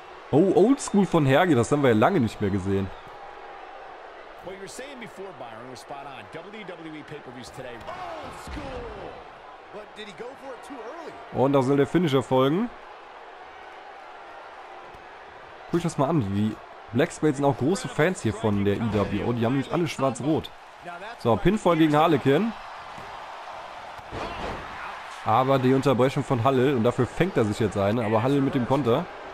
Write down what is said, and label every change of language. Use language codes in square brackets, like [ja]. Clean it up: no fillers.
[de] Oh, Oldschool von Hergi, das haben wir ja lange nicht mehr gesehen. [en] What you were saying before, Byron, was spot on. WWE pay-per-views today. Oldschool! But did he go for it too early? [de] Und da soll der Finisher folgen. Guck ich das mal an, die Black Spades sind auch große Fans hier von der EWO. Die haben nämlich alle schwarz-rot. So, Pinfall gegen Harlequin. Aber die Unterbrechung von Hallel und dafür fängt er sich jetzt eine, aber Hallel mit dem Konter.